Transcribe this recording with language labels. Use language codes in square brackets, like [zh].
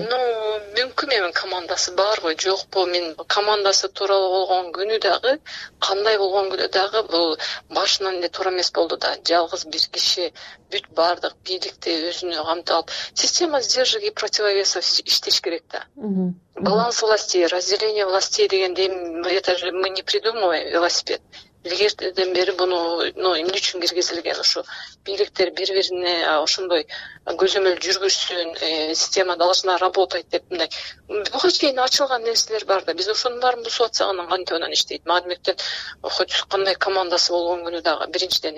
[ky] Ну, мүмкүн эми командасы барбы жокпу, мен командасы тууралуу болгон күнү дагы, кандай болгон күнү дагы бул башынан эле туура эмес болду да. Жалгыз бир киши бүт баардык бийликти өзүнө камтып алып, [ru] система сдержек и противовесов [ky] иштеш керек да. [ru] Баланс властей, разделение властей [ky] дегенде, [ru] это же мы не придумываем велосипед. [ky] Илгертеден бери буну эмне үчүн киргизилген, ушу бийликтер бири бирине ошондой көзөмөл жүргүзсүн, [ru] система должна работать [ky] деп мындай буга чейин ачылган нерселер бар да, биз ошонун баарын бузуп атсак анан кантип анан иштейт? Маалиметтен хоть кандай командасы болгон күнү дагы, биринчиден.